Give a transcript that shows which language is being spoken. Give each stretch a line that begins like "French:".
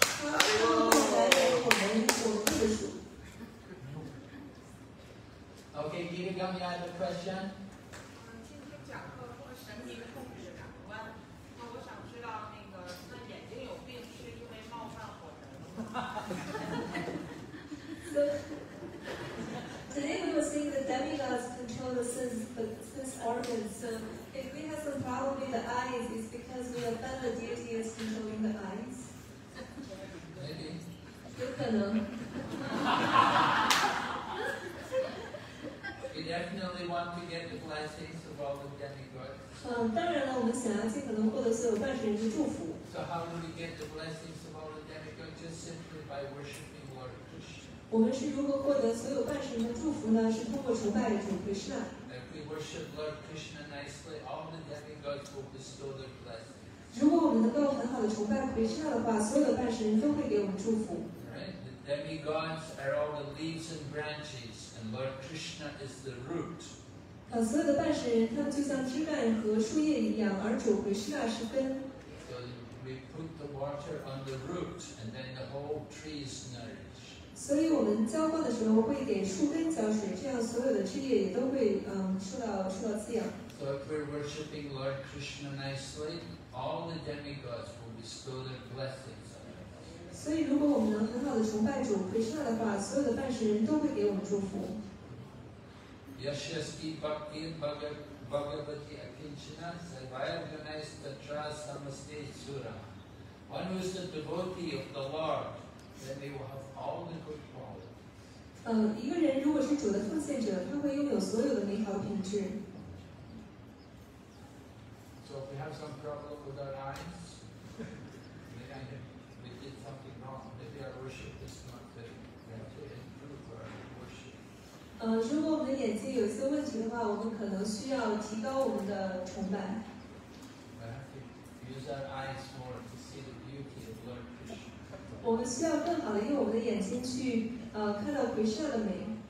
Chinese: 他们买我们一本这个书。
English: Okay, give me any other question.
Chinese: 今天讲课说神明控制感官，那我想知道那个那眼睛有病是因为冒犯火神吗？
English: Today we were saying that demigods control the sense organs. So if we have some problem with the eyes, it's because we have found the deity is controlling the eyes. Maybe.
Chinese: 有可能。
English: We definitely want to get the blessings of all the demigods.
Chinese: 当然了，我们想要尽可能获得所有半神的祝福。
English: So how do we get the blessings of all the demigods? Just simply by worshiping Lord Krishna.
Chinese: 我们是如何获得所有半神的祝福呢？是通过崇拜主 Krishna。
English: If we worship Lord Krishna nicely, all the demigods will bestow their blessings.
Chinese: 如果我们能够很好的崇拜 Krishna 的话，所有的半神都会给我们祝福。
English: Right, the demigods are all the leaves and branches, and Lord Krishna is the root.
Chinese: 所有的半神他们就像枝干和树叶一样，而主 Krishna 是根。
English: So we put the water on the root, and then the whole tree is nourished.
Chinese: 所以我们浇灌的时候会给树根浇水，这样所有的枝叶也都会受到滋养。
English: So if we're worshiping Lord Krishna nicely, all the demigods will bestow their blessings on us.
Chinese: 所以如果我们能很好的崇拜主 Krishna 的话，所有的半神都会给我们祝福。
Sanskrit: Yashasvi Bhakti Bhagavati Akinchana Sarvayoganaisa Tatra Samaste Sura.
English: One who is the devotee of the Lord. Then they will have all the good qualities.
Chinese: 一个人如果是主的奉献者，他会拥有所有的美好品质。
English: So if we have some problem with our eyes, maybe we did something wrong. Maybe our worship is not good. We have to improve our worship.
Chinese: 如果我们眼睛有一些问题的话，我们可能需要提高我们的崇拜。
English: We have to use our eyes more to see the beauty of Lord Krishna.
Chinese: 我们需要更好的用我们的眼睛去看到回事的美。